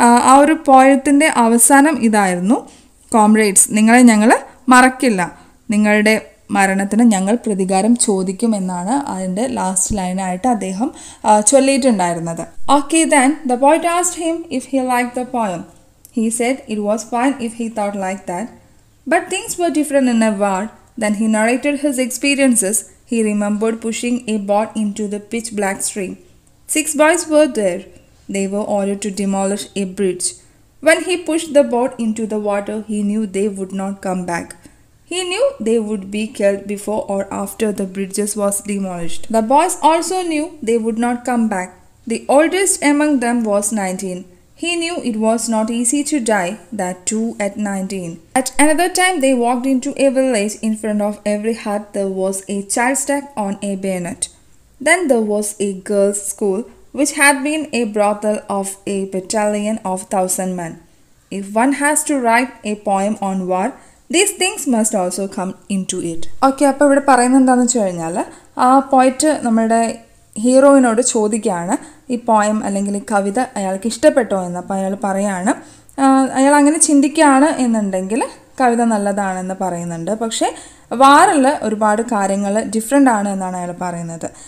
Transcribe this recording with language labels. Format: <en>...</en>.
<ml>ആ ഒരു പോയത്തിൻ്റെ അവസാനം ഇതായിരുന്നു, കോംറേഡ്സ് നിങ്ങളെ ഞങ്ങൾ മറക്കില്ല, നിങ്ങളുടെ മരണത്തിന് ഞങ്ങൾ പ്രതികാരം ചോദിക്കും എന്നാണ് അതിൻ്റെ ലാസ്റ്റ് ലൈനായിട്ട് അദ്ദേഹം ചൊല്ലിയിട്ടുണ്ടായിരുന്നത്.</ml> <en>Okay, then the poet asked him if he like the poem. He said it was fine if he thought like that, but things were different in a war. Then he narrated his experiences. He remembered pushing a boat into the pitch black stream. 6 boys were there. They were ordered to demolish a bridge. When he pushed the boat into the water, he knew they would not come back. He knew they would be killed before or after the bridge was demolished. The boys also knew they would not come back. The oldest among them was 19. He knew it was not easy to die, that too at 19. At another time, they walked into a village. In front of every hut, there was a child stuck on a bayonet. Then there was a girls' school, which had been a brothel of a battalion of 1,000 men. If one has to write a poem on war, these things must also come into it.</en> <ml>Okay, appa ivide parayunnathu cheyyanalla aa poet nammude ഹീറോയിനോട് ചോദിക്കുകയാണ് ഈ poem അല്ലെങ്കിൽ കവിത അയാൾക്ക് ഇഷ്ടപ്പെട്ടോ എന്ന്. അപ്പോൾ അയാൾ പറയുകയാണ് അയാൾ അങ്ങനെ ചിന്തിക്കുകയാണ് എന്നുണ്ടെങ്കിൽ കവിത നല്ലതാണെന്ന് പറയുന്നുണ്ട്. പക്ഷേ വാറിൽ ഒരുപാട് കാര്യങ്ങൾ ഡിഫറെൻ്റ് ആണ് എന്നാണ് അയാൾ പറയുന്നത്.</ml>